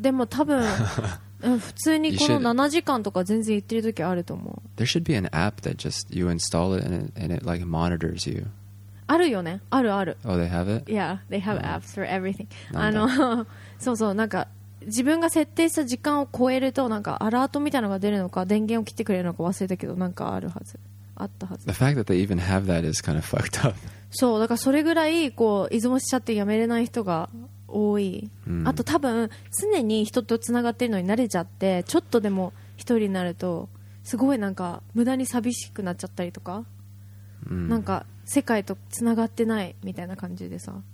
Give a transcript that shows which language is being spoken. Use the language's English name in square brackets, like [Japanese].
[Japanese] でも多分普通にこの7時間とか全然言ってる時あると思う。 [English] There should be an app that just you install it and it like monitors you。 [Japanese] あるよね、あるある。 [English] Oh, they have it? Yeah, they have apps for everything. [Japanese] あの、そうそう、なんか自分が設定した時間を超えるとなんかアラートみたいなのが出るのか、電源を切ってくれるのか忘れたけど、なんかあるはず、あったはず。 [English] The fact that they even have that is kind of fucked up. [Japanese] そう、だからそれぐらいこう依存しちゃってやめれない人が多い。 Mm. あと多分常に人とつながってるのに慣れちゃって、ちょっとでも一人になるとすごいなんか無駄に寂しくなっちゃったりとか、なんか世界とつながってないみたいな感じでさ、